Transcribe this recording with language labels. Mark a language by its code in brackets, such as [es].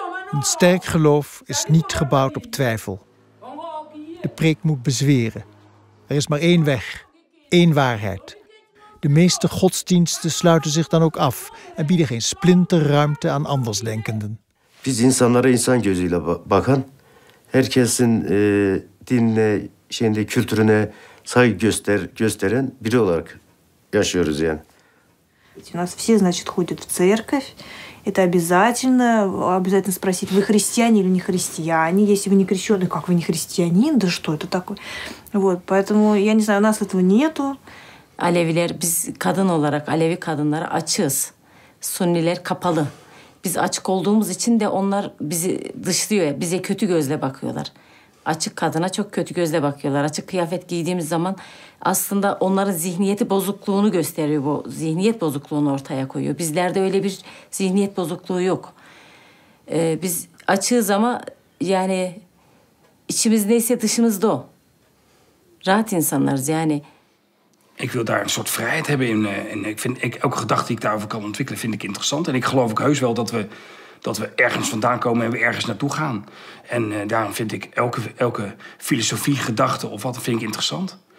[nl] Een sterk geloof is niet gebouwd op twijfel. De preek moet bezweren. Er is maar één weg, één waarheid. De meeste godsdiensten sluiten zich dan ook af en bieden geen splinter ruimte aan andersdenkenden. [tr] Biz insanlara insan gözüyle bakan, herkesin dinine, şeyinde, kültürüne saygı gösteren biri olarak yaşıyoruz yani. [ru] У нас все, значит, ходят в церковь. Это обязательно спросить, вы христиане или не христиане? Если вы не крещённый, как вы не христианин? Да что это такое? Вот, поэтому я не знаю, у нас этого нету. [tr] Aleviler, biz kadın olarak, Alevi kadınlara açığız. Sünniler kapalı. Biz açık olduğumuz için de onlar bizi dışlıyor, bize kötü gözle bakıyorlar. Açık kadına çok kötü gözle bakıyorlar. Açık kıyafet giydiğimiz zaman aslında onların zihniyeti bozukluğunu gösteriyor bu. Zihniyet bozukluğunu ortaya koyuyor. Bizlerde öyle bir zihniyet bozukluğu yok. Biz açığız ama yani içimiz neyse dışımızda o. Rahat insanlarız yani. [nl] Ik wil daar een soort vrijheid hebben in. En ik vind elke gedachte die ik daarover kan ontwikkelen, vind ik interessant. En ik geloof ook heus wel dat we ergens vandaan komen en we ergens naartoe gaan. En daarom vind ik elke filosofie, gedachte of wat, vind ik interessant.